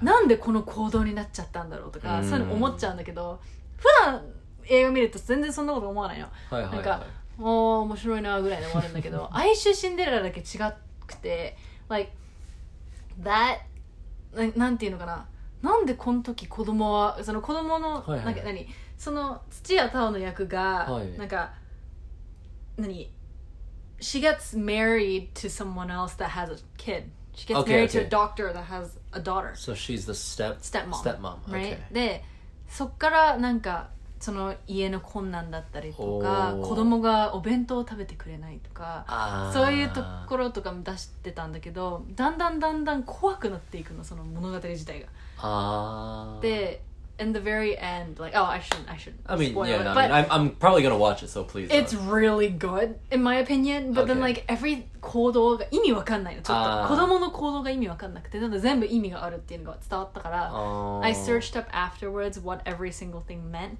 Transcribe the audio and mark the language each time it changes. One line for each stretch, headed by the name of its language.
Japanese: なんでこの行動になっちゃったんだろうとか、そういうの思っちゃうんだけど、普段映画見ると全然そんなこと思わないの、はいはいはい、なんかおー面白いなぐらいで終わるんだけど哀愁シンデレラだけ違くて、
English: like that
Japanese: なんていうのかな、なんでこの時子供は、その子供の、はいはい、なんか何、その土屋太鳳の役が、はい、なんか何、
English: she gets married to someone else that has a kidShe gets married to a doctor that has a daughter. So she's the stepmom. Stepmom, right? Okay.
Japanese: で、そっからなんかその家の困難だったりとか、子供がお弁当を食べてくれないとか、そういうところとかも出してたんだけど、だんだんだんだん怖くなっていくの、その物語自体が。で、
English: in the very end, like, oh, I shouldn't. I mean, yeah, no, but I'm probably gonna watch it, so please. It's really good, in my opinion. But then, like, every
Japanese: 行動が意味わかんないの。ちょっと子供の行動が意味わかんなくて、なんか全部意味があるっていうのが伝わったから。
English: I searched up afterwards what every single thing meant.